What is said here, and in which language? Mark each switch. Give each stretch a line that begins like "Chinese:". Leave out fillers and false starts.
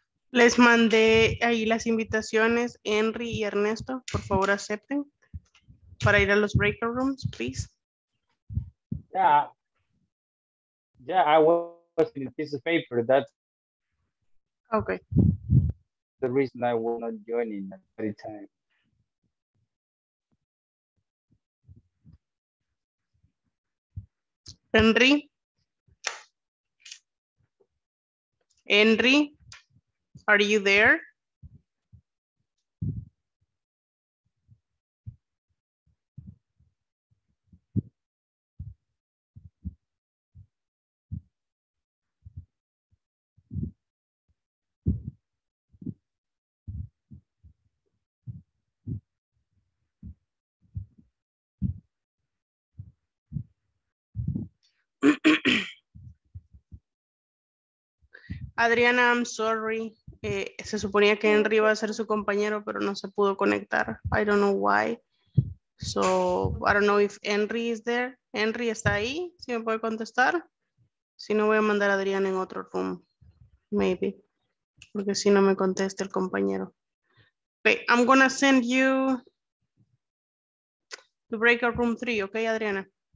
Spanish: Les mandé ahí las invitaciones, Henry y Ernesto, por favor acepten para ir a los breakout rooms, please.
English: Yeah, I was in a piece of paper, that's okay. The reason I will not join in at any time. Henry? Henry, are you there? Adriana, I'm sorry.
Spanish: Se suponía que Henry iba a ser su compañero, pero no se pudo conectar.
English: I don't know why. So, I don't know if Henry is there.
Spanish: Henry está ahí, si me puede contestar. Si no, voy a mandar a Adriana en otro room.
English: Maybe.
Spanish: Porque si no me contesta el compañero.
English: Okay, I'm going to send you to breakout room 3, okay, Adriana?